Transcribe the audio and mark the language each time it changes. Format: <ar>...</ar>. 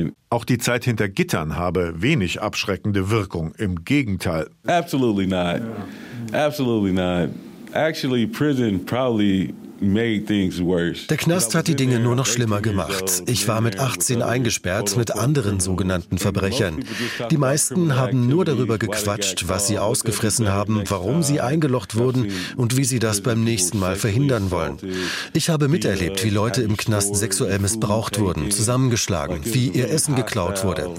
<de>Auch die Zeit hinter Gittern habe wenig abschreckende Wirkung. Im Gegenteil.</de> <en>Absolutely not. Absolutely not. Actually, prison probably made things worse.</en> <de>Der Knast hat die Dinge nur noch schlimmer gemacht. Ich war mit 18 eingesperrt mit anderen sogenannten Verbrechern. Die meisten haben nur darüber gequatscht, was sie ausgefressen haben, warum sie eingelocht wurden und wie sie das beim nächsten Mal verhindern wollen. Ich habe miterlebt, wie Leute im Knast sexuell missbraucht wurden, zusammengeschlagen, wie ihr Essen geklaut wurde.</de>